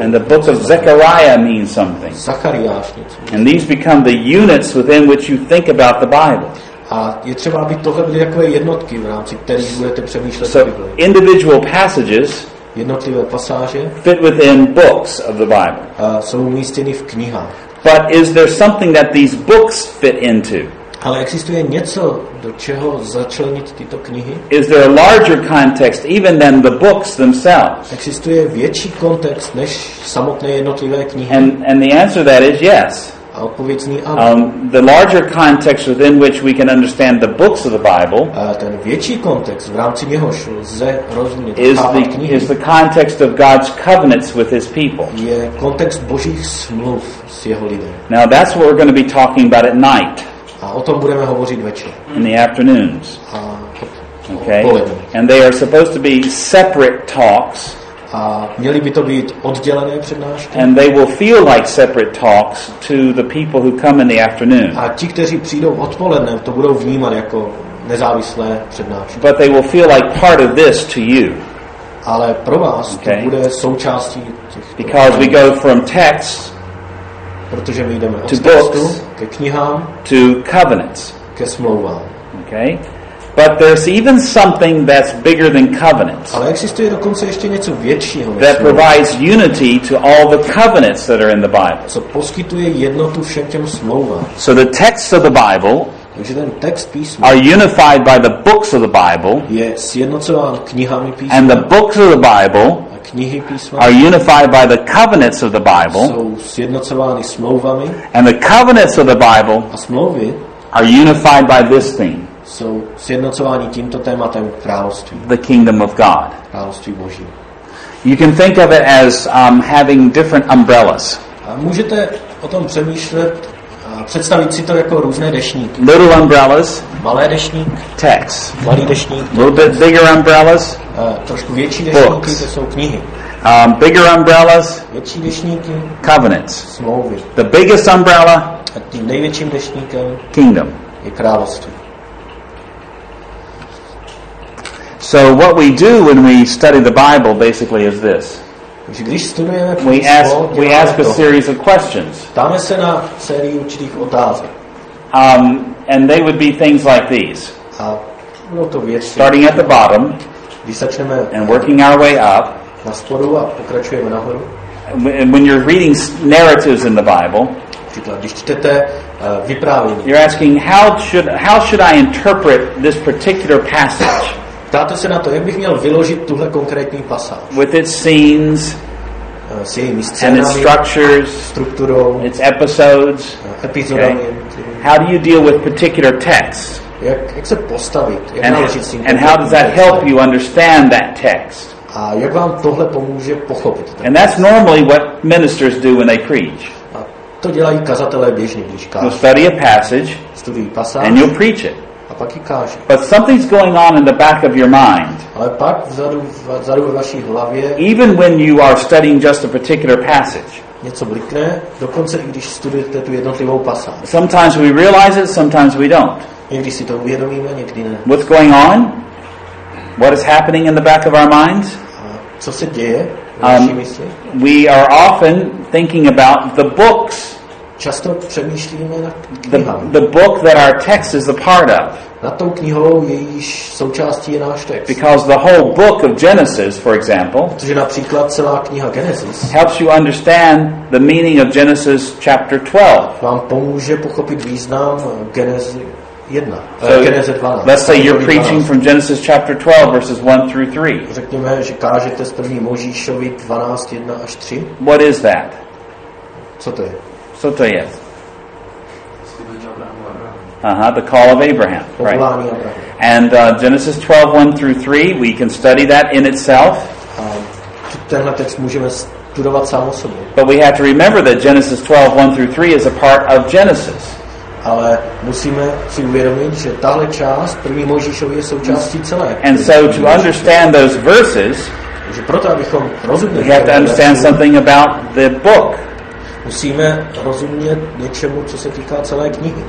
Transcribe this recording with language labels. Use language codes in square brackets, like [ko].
[en] And the book of Zechariah means something. [cs] Zachariáš něco. [en] And these become the units within which you think about the Bible. [cs] A je třeba, aby tohle byly takové jednotky, v rámci kterých budete přemýšlet o Bibli. [en] So individual passages, [cs] jednotlivé pasáže, [en] fit within books of the Bible. [cs] Jsou umístěny v knihách. [en] But is there something that these books fit into? [cs] Ale existuje něco, do čeho začlenit tyto knihy? [en] Is there a larger context even than the books themselves? [cs] Existuje větší kontext než samotné jednotlivé knihy? [en] And the answer to that is yes. The larger context within which we can understand the books of the Bible [cs] ten větší kontext, v rámci něhož lze rozumět, [en] is the context of God's covenants with his people. [cs] Je kontext Božích smluv s jeho lidem. [en] Now that's what we're going to be talking about at night. [cs] A o tom budeme hovořit večer. [en] In the afternoons. Okay. And they are supposed to be separate talks. [cs] A měly by to být oddělené přednášky. [en] And they will feel like separate talks to the people who come in the afternoon. [cs] A ti, kteří přijdou odpoledne, to budou vnímat jako nezávislé přednášky. [en] But they will feel like part of this to you. [cs] Ale pro vás okay. To bude součástí těch. [en] Because we go from text, [cs] protože my jdeme [en] to [cs] od textu, [en] books, [cs] ke knihám, [en] to covenants, [cs] ke smlouvám. [en] Okay. But there's even something that's bigger than covenants. [cs] Ale existuje dokonce ještě něco většího. [en] That provides unity to all the covenants that are in the Bible. [cs] Co poskytuje jednotu všem těm smlouvám. [en] So the texts of the Bible, [cs] takže ten text písma, [en] are unified by the books of the Bible. [cs] Je sjednocován knihami písma. [en] And the books of the Bible, [cs] a knihy písma, [en] are unified by the covenants of the Bible. [cs] Jsou sjednocovány smlouvami. [en] And the covenants of the Bible, [cs] a smlouvy, [en] are unified by this theme. [cs] Jsou sjednocováni tímto tématem království. [en] The kingdom of God. [cs] Království Boží. [en] You can think of it as having different umbrellas. [cs] A můžete o tom přemýšlet a představit si to jako různé deštníky. [en] Little umbrellas. [cs] Malé deštník. [en] Text. [cs] Malý deštník. [en] Little bit bigger umbrellas. [cs] Trošku větší deštníky, to jsou knihy. [en] Bigger umbrellas. [cs] Větší deštníky. [en] Covenants. [cs] Smlouvy. [en] The biggest umbrella. [cs] A tím největším deštníkem. [en] Kingdom. [cs] Je království. [en] So what we do when we study the Bible basically is this. [cs] Takže když studujeme písmo, [en] we ask a series of questions. [cs] Ptáme se na sérii určitých otázek. [en] And they would be things like these. [cs] A no to věci. [en] Starting at the bottom. [cs] Když začneme [en] and working our way up. [cs] Na spodu a pokračujeme nahoru. [en] And when you're reading narratives in the Bible, [cs] když čtete vyprávění, [en] you're asking how should I interpret this particular passage? [cs] Ptáte se na to, jak bych měl vyložit tuhle konkrétní pasáž. [en] With its scenes, [cs] s jejími scénami, [en] and its structures, [cs] strukturou, [en] its episodes, [cs] epizodami. Okay. [en] How do you deal with particular texts? [cs] Jak se postavit? Jak naložit s tím? [en] And how does that help you understand that text? [cs] A jak vám tohle pomůže pochopit? [en] And that's normally what ministers do when they preach. [cs] A to dělají kazatelé běžně, když kážou. [en] You'll study a passage, [cs] studují pasáž, [en] and you'll preach it. [cs] A pak ji káže. [en] But something's going on in the back of your mind. [cs] Ale pak vzadu ve vaší hlavě. [en] Even when you are studying just a particular passage. [cs] Něco blikne, dokonce i když studujete tu jednotlivou pasáž. [en] Sometimes we realize it, sometimes we don't. [cs] Někdy si to uvědomíme, někdy ne. [en] What's going on? What is happening in the back of our minds? [cs] Co se děje v naší mysli? [en] We are often thinking about the books. [cs] Často přemýšlíme nad knihami. [en] The book that our text is a part of. [cs] Nad tou knihou, jejíž součástí je náš text. [en] Because the whole book of Genesis, for example, [cs] protože například celá kniha Genesis, [en] helps you understand the meaning of Genesis chapter 12. [cs] Vám pomůže pochopit význam Genesis. [en] So, let's say you're preaching from Genesis chapter 12 verses 1 through 3. [cs] Řekněme, že kážete z první Mojžíšovy 12, 1 až 3. [en] What is that? [cs] Co to je? Co to je? [en] The call of Abraham, right? And Genesis 12, 1 through 3, we can study that in itself. [cs] Tenhle text můžeme studovat sám o sobě. [en] But we have to remember that Genesis 12, 1 through 3 is a part of Genesis. [cs] Ale musíme si uvědomit, že tahle část první Mojžíšovy je součástí celé. [en] And so to understand those verses, [cs] že proto, abychom rozuměli, [en] we have to understand something about the book. [cs] Musíme rozumět něčemu, co se týká celé knihy.